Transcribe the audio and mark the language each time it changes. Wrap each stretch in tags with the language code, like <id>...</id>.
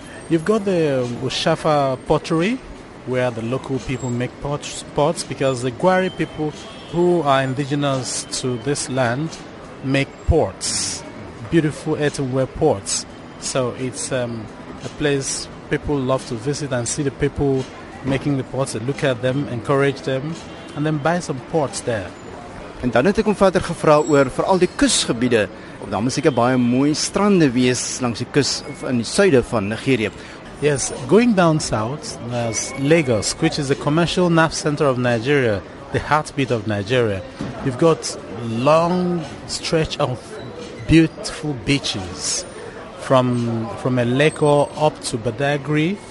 <en>You've got the Ushafa Pottery, where the local people make pots, because the Gwari people, who are indigenous to this land, make pots, beautiful earthenware pots. So it's a place people love to visit and see the people making the pots, look at them, encourage them, and then buy some pots there.</en> <af>En dan het ek hom verder gevra oor veral die kusgebiede. Of dan moet ek baie mooi strande wees langs die kus of in die suide van Nigeria.</af> <en>Yes, going down south, there's Lagos, which is the commercial nav center of Nigeria, the heartbeat of Nigeria. You've got long stretch of beautiful beaches from Eleko up to Badagry.</en>